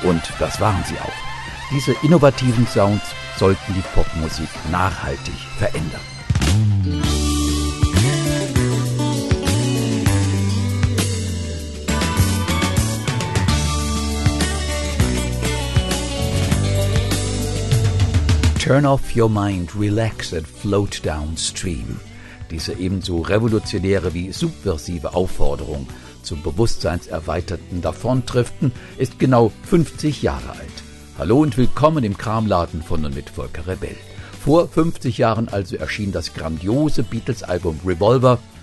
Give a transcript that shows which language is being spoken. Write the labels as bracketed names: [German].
[German] Und das waren sie auch. Diese innovativen Sounds sollten die Popmusik nachhaltig verändern. [English] Turn off your mind, relax and float downstream. [German] Diese ebenso revolutionäre wie subversive Aufforderung zum bewusstseinserweiterten Davontriften ist genau 50 Jahre alt. Hallo und willkommen im Kramladen von und mit Volker Rebell. Vor 50 Jahren also erschien das grandiose Beatles-Album Revolver.